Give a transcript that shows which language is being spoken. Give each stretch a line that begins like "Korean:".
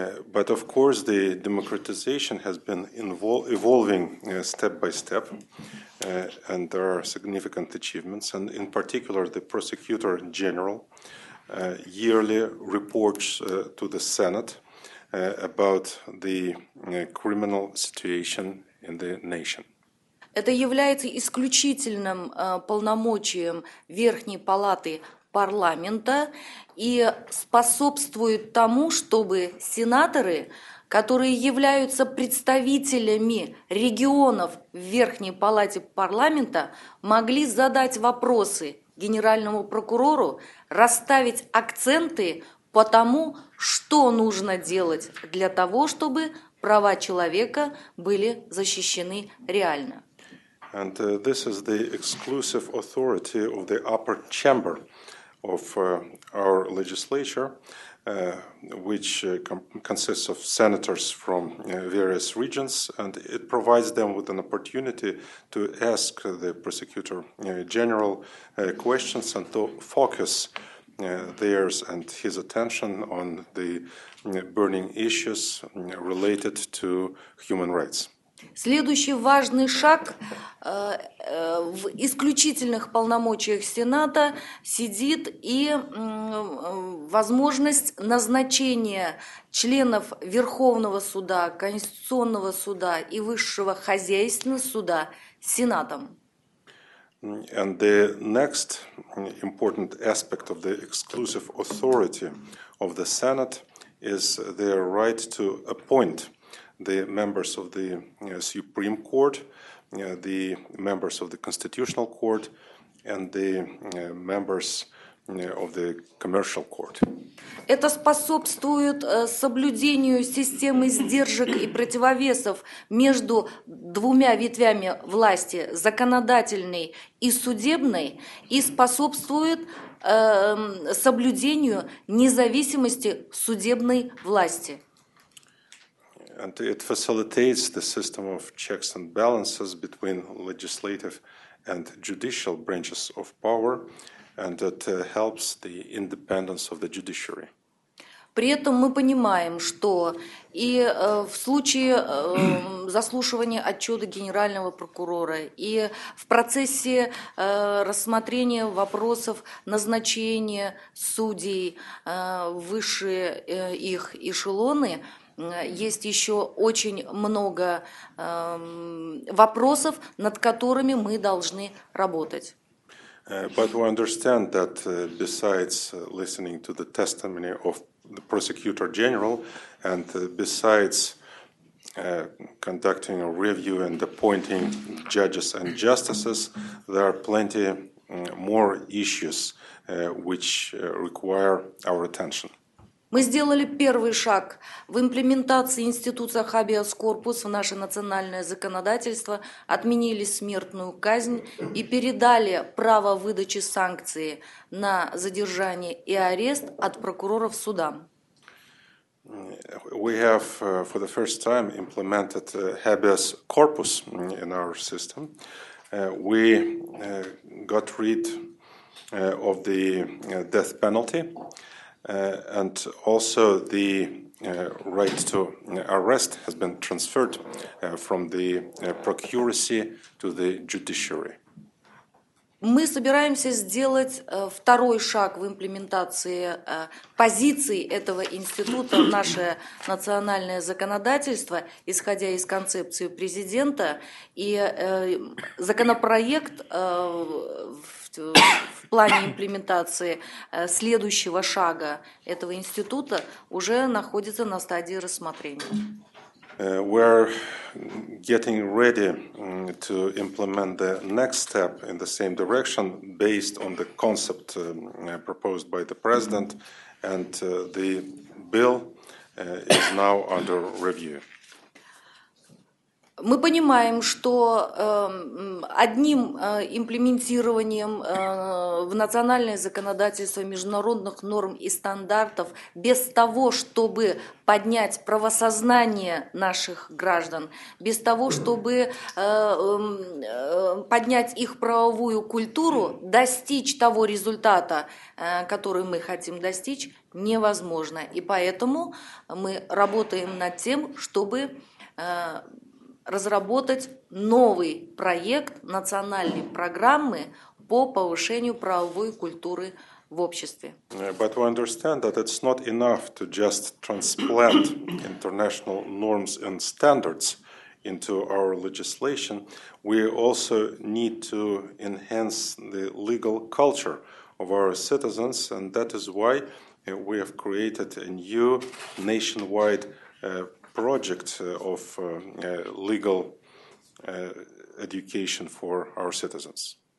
English: But of course, the democratization has been evolving step by step, and there are significant achievements. And in particular, the prosecutor general yearly reports to the Senate about the criminal situation in the nation.
Russian: Это является исключительным полномочием Верхней палаты парламента и способствует тому, чтобы сенаторы, которые являются представителями регионов в Верхней Палате парламента, могли задать вопросы генеральному прокурору, расставить акценты по тому, что нужно делать для того, чтобы права человека были защищены реально.
English: And this is the exclusive authority of the upper chamber of our legislature, which consists of senators from various regions, and it provides them with an opportunity to ask the prosecutor general questions and to focus theirs and his attention on the burning issues related to human rights.
Russian: Следующий важный шаг в исключительных полномочиях Сената сидит и возможность назначения членов Верховного суда, Конституционного суда и Высшего хозяйственного суда Сенатом.
English: And the next important aspect of the exclusive authority of the Senate is their right to appoint the members of the Supreme Court, the members of the Constitutional Court, and the members of the Commercial Court.
Russian: Это способствует соблюдению системы сдержек и противовесов между двумя ветвями власти, законодательной и судебной, и способствует соблюдению независимости судебной власти.
English: And it facilitates the system of checks and balances between legislative and judicial branches of power, and it helps the independence of the judiciary.
Russian: При этом мы понимаем, что и в случае заслушивания отчета генерального прокурора, и в процессе рассмотрения вопросов назначения судей выше их эшелоны, есть еще очень много вопросов, над которыми мы должны работать.
English: But we understand that besides listening to the testimony of the prosecutor general and besides conducting a review and appointing judges and justices, there are plenty more issues which require our attention.
Russian: Мы сделали первый шаг в имплементации института habeas corpus в наше национальное законодательство, отменили смертную казнь и передали право выдачи санкции на задержание и арест от прокуроров судам.
English: We have for the first time implemented habeas corpus in our system. We got rid of the death penalty. And also the right to arrest has been transferred from the procuracy to the judiciary.
Russian: Мы собираемся сделать второй шаг в имплементации позиций этого института в наше национальное законодательство, исходя из концепции президента, и законопроект в плане имплементации следующего шага этого института уже находится на стадии рассмотрения.
English: We're getting ready to implement the next step in the same direction based on the concept proposed by the president, and the bill is now under review.
Russian: Мы понимаем, что одним имплементированием в национальное законодательство международных норм и стандартов, без того, чтобы поднять правосознание наших граждан, без того, чтобы поднять их правовую культуру, достичь того результата, который мы хотим достичь, невозможно. И поэтому мы работаем над тем, чтобы разработать новый проект национальной программы по повышению правовой культуры в обществе.
English: But we understand that it's not enough to just transplant international norms and standards into our legislation. We also need to enhance the legal culture of our citizens, and that is why we have created a new nationwide project of legal education for our citizens.